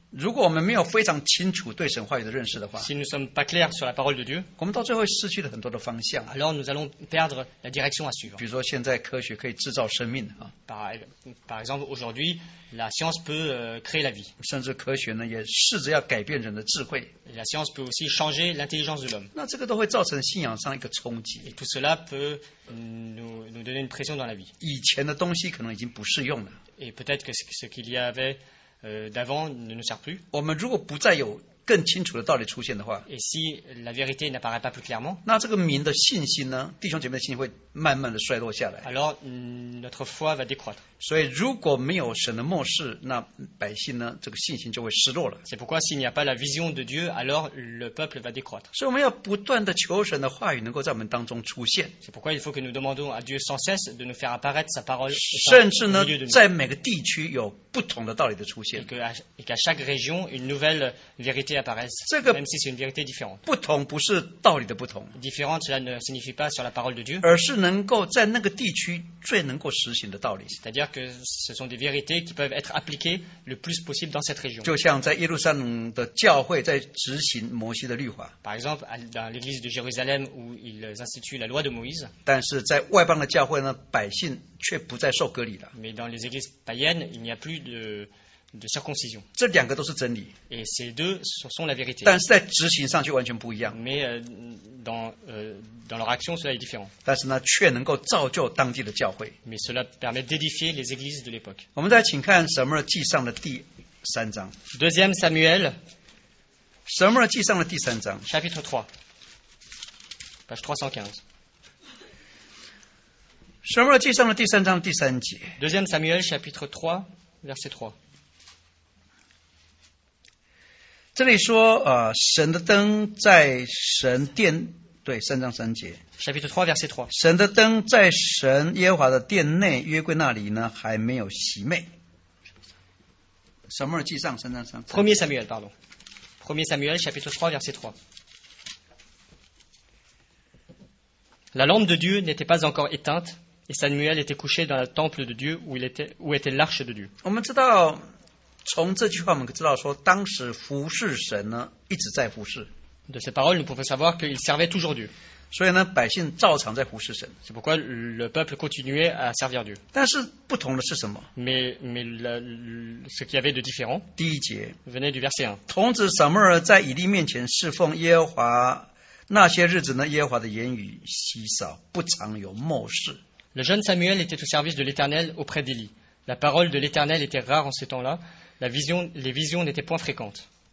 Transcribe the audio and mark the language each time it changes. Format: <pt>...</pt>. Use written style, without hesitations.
<zh>如果我们没有非常清楚对神话语的认识的话,</zh> <fr>si nous ne sommes pas clairs sur la parole de Dieu, alors nous allons perdre la direction à suivre.</fr> <zh>比如说现在科学可以制造生命,</zh> <fr>par exemple, aujourd'hui, la science peut créer la vie.</fr> <zh>甚至科学呢, 也试着要改变人的智慧,</zh> <fr>la science peut aussi changer l'intelligence de l'homme.</fr> <zh>那这个都会造成信仰上一个冲击,</zh> <fr>et tout cela peut nous donner une pression dans la vie.</fr> <zh>以前的东西可能已经不适用了,</zh> <fr>et peut-être que ce qu'il y avait d'avant ne nous sert plus.</fr> <zh>我们如果不再有更清楚的道理出现的话,</zh> <fr>et si la vérité n'apparaît pas plus clairement,</fr> <zh>那这个民的信心呢, 弟兄姐妹的信心会慢慢的衰落下来,</zh> <fr>alors notre foi va décroître.</fr> <zh>所以如果没有神的漠视, 那百姓呢, 这个信心就会失落了。</zh> <fr>C'est pourquoi s'il n'y a pas la vision de Dieu, alors le peuple va décroître.</fr> <zh>所以我们要不断地求神的话语能够在我们当中出现。</zh> <fr>C'est pourquoi il faut que nous demandons à Dieu sans cesse de nous faire apparaître sa parole au sein,</fr> <zh>甚至呢,</zh> <fr>au milieu de nous.</fr> <zh>在每个地区有不同的道理的出现。</zh> <fr>et qu'à chaque région, une nouvelle vérité apparaisse, même si c'est une vérité différente.</fr> <zh>不同不是道理的不同,</zh> <fr>différente, cela ne signifie pas sur la parole de Dieu,</fr> <zh>而是能够在那个地区最能够实行的道理。</zh> <fr>C'est-à-dire que ce sont des vérités qui peuvent être appliquées le plus possible dans cette région.</fr> <zh>就像在耶路撒冷的教会在执行摩西的律法,</zh> <fr>par exemple, dans l'église de Jérusalem où ils instituent la loi de Moïse,</fr> <zh>但是在外邦的教会呢, 百姓却不再受割礼了。</zh> <fr>Mais dans les églises païennes, il n'y a plus de circoncision.</fr> <zh>这两个都是真理,</zh> <fr>et ces deux sont la vérité.</fr> <zh>但是在执行上却完全不一样,</zh> <fr>mais dans leur action, cela est différent.</fr> <zh>但是呢, 却能够造就当地的教会,</zh> <fr>mais cela permet d'édifier les églises de l'époque.</fr> <zh>我们再请看《撒母耳记上》的第三章,</zh> <fr>2 Samuel,</fr> <zh>《撒母耳记上》的第三章,</zh> <fr>chapitre 3, page 315.</fr> <zh>《撒母耳记上》的第三章第三节,</zh> <fr>2 Samuel, chapitre 3, verset 3.</fr> <zh>这里说, 神的灯在神殿, 对, 三章三节,</zh> <fr>chapitre 3, verset 3.</fr> <zh>神的灯在神耶和华的殿内, 约柜那里呢, 还没有熄灭。撒母耳记上, 三章三节,</zh> <fr>1 Samuel, pardon. 1 Samuel, chapitre 3, verset 3. La lampe de Dieu n'était pas encore éteinte, et Samuel était couché dans le temple de Dieu où était l'arche de Dieu.</fr> <zh>我们知道, 从这句话我们知道说当时服侍神呢一直在服侍,</zh> <fr>de ces paroles nous pouvons savoir qu'il servait toujours Dieu.</fr> <zh>所以呢, 百姓照常在服侍神,</zh> <fr>c'est pourquoi le peuple continuait à servir Dieu.</fr> <zh>但是不同的是什么?</zh> <fr>Mais ce qu'il y avait de différent,</fr> <zh>第一节,</zh> <fr>venait du verset 1.</fr> <zh>童子撒母耳在以利面前侍奉耶和华那些日子呢, 耶和华的言语稀少不常有漠视。</zh> <fr>Le jeune Samuel était au service de l'Éternel auprès d'Élie. La parole de l'Éternel était rare en ces temps-là. Les visions n'étaient point fréquentes.</fr>